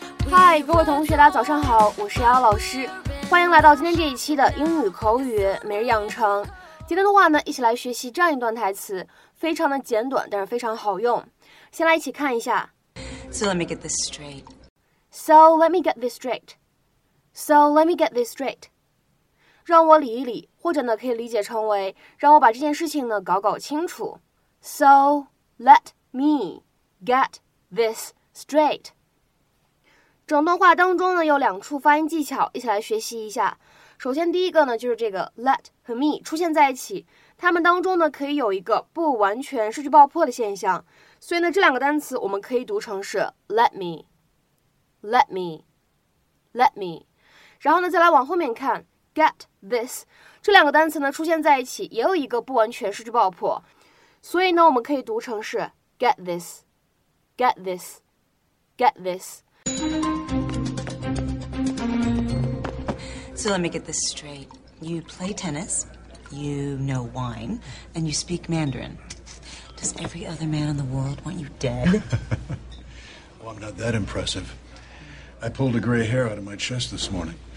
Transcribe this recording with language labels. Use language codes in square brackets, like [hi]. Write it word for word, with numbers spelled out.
[zh] 嗨，各位同学，大家早上好，我是瑶瑶老师，欢迎来到今天这一期的英语口语每日养成。今天的话呢，一起来学习这样一段台词，非常的简短，但是非常好用。先来一起看一下。 [en] So let me get this straight. So let me get this straight. So let me get this straight. [zh] 让我理一理，或者呢可以理解成为让我把这件事情呢搞搞清楚。 [en] So let me get this straight. [zh] 整段话当中呢有两处发音技巧，一起来学习一下。首先第一个呢就是这个 let 和 me 出现在一起，它们当中呢可以有一个不完全失去爆破的现象，所以呢这两个单词我们可以读成是 [en] let me let me let me。 [zh] 然后呢再来往后面看 get this， 这两个单词呢出现在一起也有一个不完全失去爆破，所以呢我们可以读成是 [en] get this get this get this。 So let me get this straight. You play tennis, you know wine, and you speak Mandarin. Does every other man in the world want you dead? Well, I'm not that impressive. I pulled a gray hair out of my chest this morning.